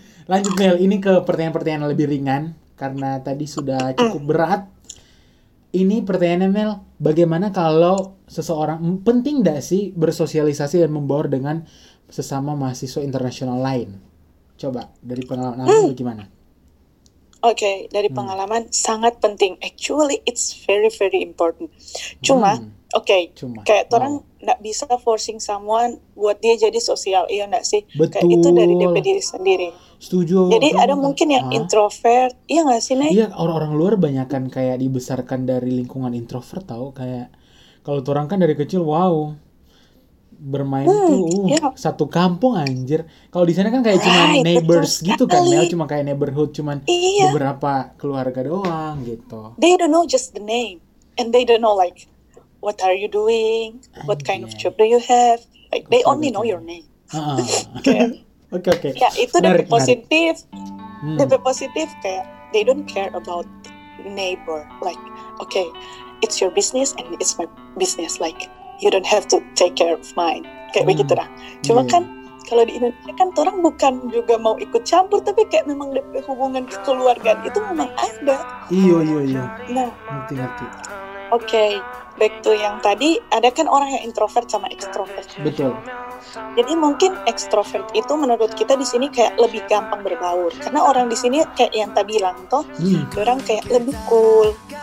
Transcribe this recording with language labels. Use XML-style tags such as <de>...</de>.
<id>Lanjut Mel, ini ke pertanyaan-pertanyaan lebih ringan. Karena tadi sudah cukup berat. Ini pertanyaannya Mel, bagaimana kalau seseorang, penting nggak sih bersosialisasi dan membaur dengan sesama mahasiswa internasional lain? Coba, dari pengalaman itu gimana? Okay, dari pengalaman sangat penting.</id> <en>Actually, it's very very important.</en> <id>Kayak orang nggak bisa</id> <en>forcing someone</en> <id>buat dia jadi sosial, iya nggak sih? Betul. Kayak itu dari DP diri sendiri. Setuju. Jadi ada mungkin yang introvert, iya nggak sih, Nek? Iya, orang-orang luar banyakkan kayak dibesarkan dari lingkungan introvert, tau? Kayak kalau orang kan dari kecil, bermain satu kampung anjir. Kalau di sana kan kayak cuma neighbors gitu kan, Mel, cuma kayak neighborhood cuman beberapa keluarga doang gitu.</id> <en>They don't know just the name and they don't know like what are you doing, what kind of job do you have, like they only know your name. Okay.</en> <id>Yeah, itu lebih positif. Lebih positif kayak</id> <en>they don't care about neighbor. Like, okay, it's your business and it's my business. Like, you don't have to take care of mine.</en> <id>Kayak begitu lah. Cuma kan kalau di Indonesia kan orang bukan juga mau ikut campur, tapi kayak memang hubungan kekeluargaan itu memang ada. Iya. Nah, ngerti.</id> <en>Okay, back to</en> <id>yang tadi, ada kan orang yang introvert sama extrovert. Betul. Jadi mungkin extrovert itu menurut kita di sini kayak lebih gampang berbaur, karena orang di sini kayak yang tadi bilang toh, orang kayak lebih cool.</id>